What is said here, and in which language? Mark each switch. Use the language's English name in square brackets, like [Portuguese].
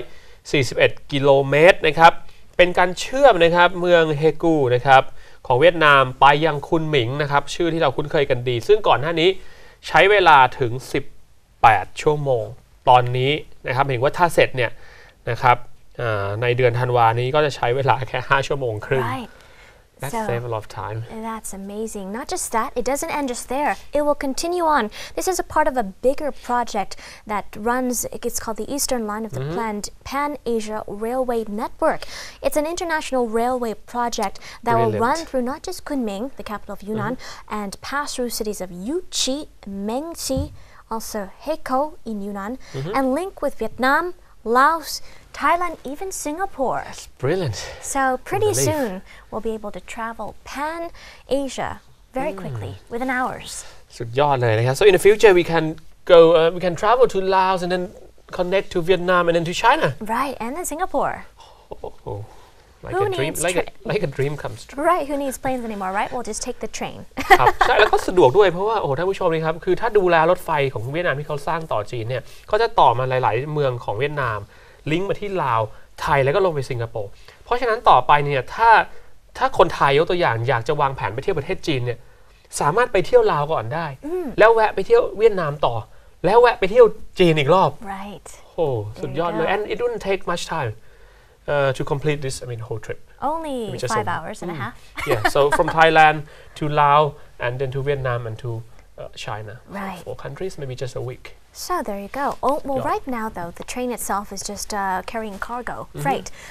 [Thai] 141กิโลเมตรนะครับเป็นการเชื่อมนะครับเมืองเฮกูนะครับของเวียดนามไปยังคุนหมิงนะครับชื่อที่เราคุ้นเคยกันดีซึ่งก่อนหน้านี้ใช้เวลาถึง18ชั่วโมงตอนนี้นะครับเห็นว่าถ้าเสร็จเนี่ยนะครับในเดือนธันวาคมนี้ก็จะใช้เวลาแค่5ชั่วโมงครึ่ง [English] That saves a lot of time. That's amazing. Not just that, it doesn't end just there. It will continue on. This is a part of a bigger project that runs, it's called the Eastern Line of the planned Pan-Asia Railway Network. It's an international railway project that Brilliant. Will run through not just Kunming, the capital of Yunnan, and pass through cities of Yuchi, Mengxi, also Heiko in Yunnan, and link with Vietnam, Laos,Thailand, even Singapore. That's brilliant. So pretty soon, we'll be able to travel Pan-Asia very quickly, within hours. [Thai] สุดยอดเลยนะครับ [English] So in the future, we can go, we can travel to Laos and then connect to Vietnam and then to China. Right, and then Singapore. Oh, like, a dream, like a dream comes true. Right, who needs planes anymore, right? We'll just take the train. [Thai] ครับใช่แล้วก็สะดวกด้วยเพราะว่าโอ้โหท่านผู้ชมนะครับคือถ้าดูแลรถไฟของเวียดนามที่เขาสร้างต่อจีนเนี่ยเขาจะต่อมาหลายๆเมืองของเวียดนามลิงก์มาที่ลาวไทยแล้วก็ลงไปสิงคโปร์เพราะฉะนั้นต่อไปเนี่ยถ้าคนไทยยกตัวอย่างอยากจะวางแผนไปเที่ยวประเทศจีนเนี่ยสามารถไปเที่ยวลาวก่อนได้ แล้วแวะไปเที่ยวเวียดนามต่อแล้วแวะไปเที่ยวจีนอีกรอบ [English] right [Thai] โอ้สุดยอดเลย [English] and it wouldn't take much time to complete this I mean whole trip only five hours and a half yeah so from Thailand to Lao and then to Vietnam and toChina right four countries maybe just a week So there you go. Oh, well, right now, though, the train itself is just carrying cargo, freight.